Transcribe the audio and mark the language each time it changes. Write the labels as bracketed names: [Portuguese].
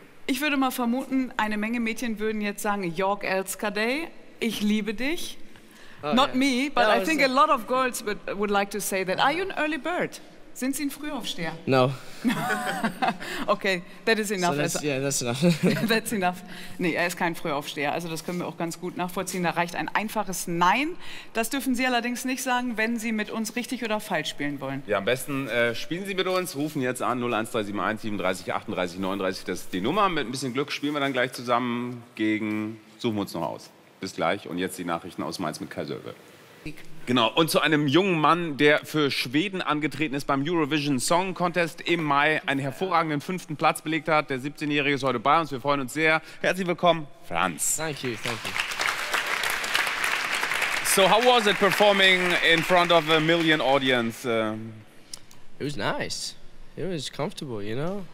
[German] Ich würde mal vermuten, eine Menge Mädchen würden jetzt sagen, Jörg Elskadej, ich liebe dich. [English] Oh, not yeah. me, but no, I think a lot of girls would like to say that. Are you an early bird? [German] Sind Sie ein Frühaufsteher? [English] No. Okay, that is enough. That's enough. That's enough. [German] Nee, er ist kein Frühaufsteher, also das können wir auch ganz gut nachvollziehen. Da reicht ein einfaches Nein. Das dürfen Sie allerdings nicht sagen, wenn Sie mit uns richtig oder falsch spielen wollen. Ja, am besten spielen Sie mit uns, rufen jetzt an 01371 37 38 39. Das ist die Nummer. Mit ein bisschen Glück spielen wir dann gleich zusammen gegen, suchen wir uns noch aus. Bis gleich. Und jetzt die Nachrichten aus Mainz mit Kai Sörbe. Genau. Und zu einem jungen Mann, der für Schweden angetreten ist beim Eurovision Song Contest im Mai, einen hervorragenden 5. Platz belegt hat. Der 17-Jährige ist heute bei uns. Wir freuen uns sehr. Herzlich willkommen, Franz. [English] Thank you, thank you. So, how was it performing in front of a million audience? It was nice. It was comfortable, you know.